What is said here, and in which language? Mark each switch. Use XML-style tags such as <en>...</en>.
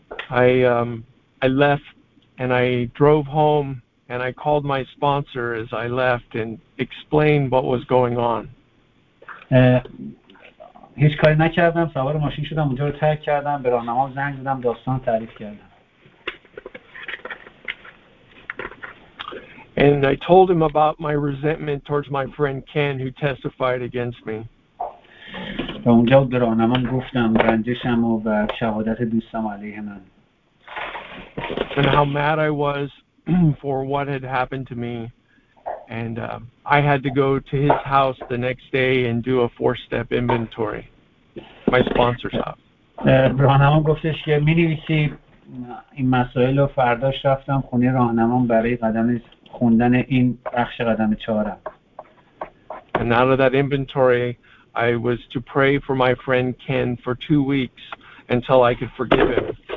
<en>I left and I drove home and I called my sponsor as I left and explained what was going on.</en> <fa>هیچ کاری نکردم سوار ماشین شدم اونجا رو ترک کردم به راهنما زنگ زدم داستان تعریف کردم.</fa> <en>And I told him about my resentment towards my friend Ken who testified against me.</en> <fa>اونجا به راهنما گفتم رنجشم و شهادت دوستم علیه من.</fa> <en>And how mad I was for what had happened to me. And I had to go to his house the next day and do a four-step inventory. My sponsor's house.</en> <fa>راهنمام گفتش که می‌نویسی این مسائل رو فرداش رفتم خونه راهنمام برای قدم خوندن این بخش قدم چهارم.</fa> <en>And out of that inventory, I was to pray for my friend Ken for 2 weeks until I could forgive him.</en>